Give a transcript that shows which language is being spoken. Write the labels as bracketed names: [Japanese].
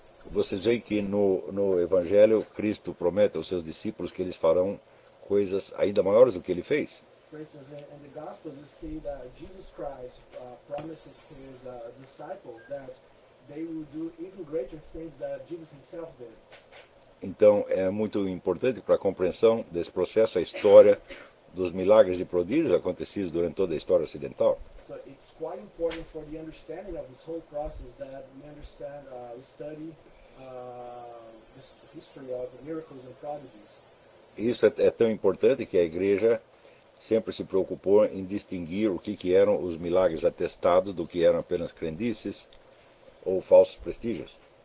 [Portuguese] Vocês veem que no Evangelho, Cristo promete aos seus discípulos que eles farão coisas ainda maiores do que ele fez? [English] In the Gospels, you see that Jesus Christ promises his disciples that they will do even greater things than Jesus himself did. [Portuguese] Então, é muito importante para a compreensão desse processo, a história dos milagres e prodígios acontecidos durante toda a história ocidental. [English] So it's quite important for the understanding of this whole process that we understand, we study the history of miracles and prodigies. [Portuguese] Isso é tão importante que a igreja sempre se preocupou em distinguir o que eram os milagres atestados do que eram apenas crendices ou falsos prestígios.